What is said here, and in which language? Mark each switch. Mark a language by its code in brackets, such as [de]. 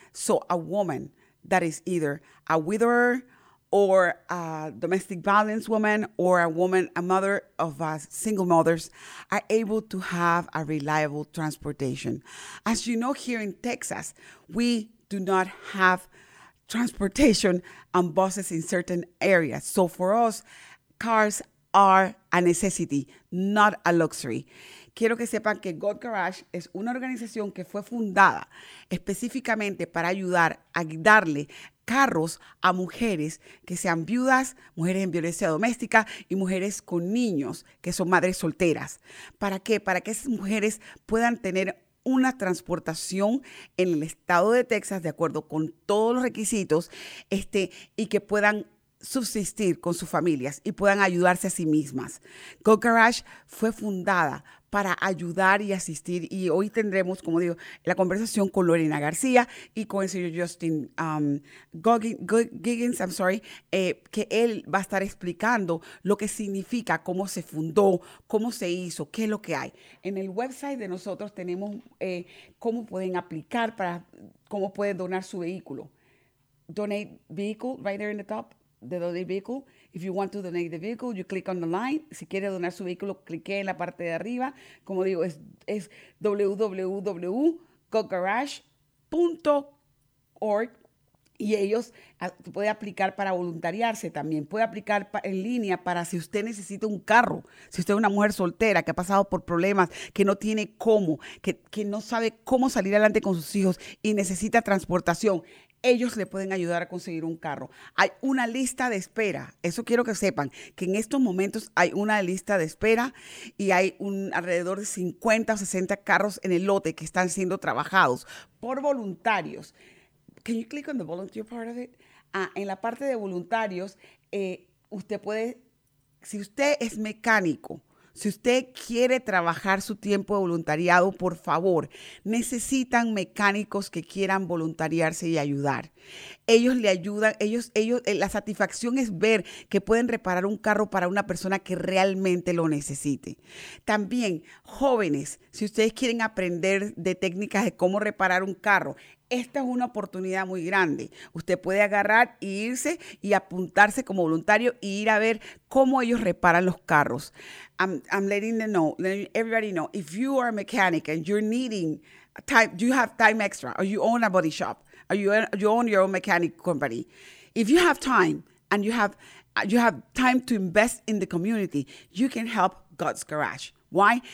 [en] So a woman that is either a widower or a domestic violence woman, or a woman, a mother of single mothers, are able to have a reliable transportation. As you know, here in Texas, we do not have transportation and buses in certain areas. So for us, cars are a necessity, not a luxury. [es] Quiero que sepan que God's Garage es una organización que fue fundada específicamente para ayudar a darle carros a mujeres que sean viudas, mujeres en violencia doméstica y mujeres con niños que son madres solteras. ¿Para qué? Para que esas mujeres puedan tener una transportación en el estado de Texas de acuerdo con todos los requisitos y que puedan subsistir con sus familias y puedan ayudarse a sí mismas. God's Garage fue fundada para ayudar y asistir, y hoy tendremos, como digo, la conversación con Lorena García y con el señor Justin Goggins, que él va a estar explicando lo que significa, cómo se fundó, cómo se hizo, qué es lo que hay. En el website de nosotros tenemos cómo pueden aplicar, para cómo pueden donar su vehículo. [en] Donate vehicle, right there in the top, the donate vehicle. If you want to donate the vehicle, you click on the line. [es] Si quiere donar su vehículo, clique en la parte de arriba. Como digo, es www.gogarage.org. Y ellos, puede aplicar para voluntariarse también. Puede aplicar en línea para si usted necesita un carro. Si usted es una mujer soltera que ha pasado por problemas, que no tiene cómo, que no sabe cómo salir adelante con sus hijos y necesita transportación, ellos le pueden ayudar a conseguir un carro. Hay una lista de espera. Eso quiero que sepan, que en estos momentos hay una lista de espera y hay alrededor de 50 o 60 carros en el lote que están siendo trabajados por voluntarios. [en] Can you click on the volunteer part of it? [es] En la parte de voluntarios, usted puede, si usted es mecánico, si usted quiere trabajar su tiempo de voluntariado, por favor, necesitan mecánicos que quieran voluntariarse y ayudar. Ellos le ayudan, la satisfacción es ver que pueden reparar un carro para una persona que realmente lo necesite. También, jóvenes, si ustedes quieren aprender de técnicas de cómo reparar un carro, esta es una oportunidad muy grande. Usted puede agarrar e irse y apuntarse como voluntario e ir a ver cómo ellos reparan los carros. [en] I'm letting them know, letting everybody know, if you are a mechanic and you're needing time, you have time extra, or you own a body shop, or you own your own mechanic company, if you have time and you have time to invest in the community, you can help God's Garage. Why?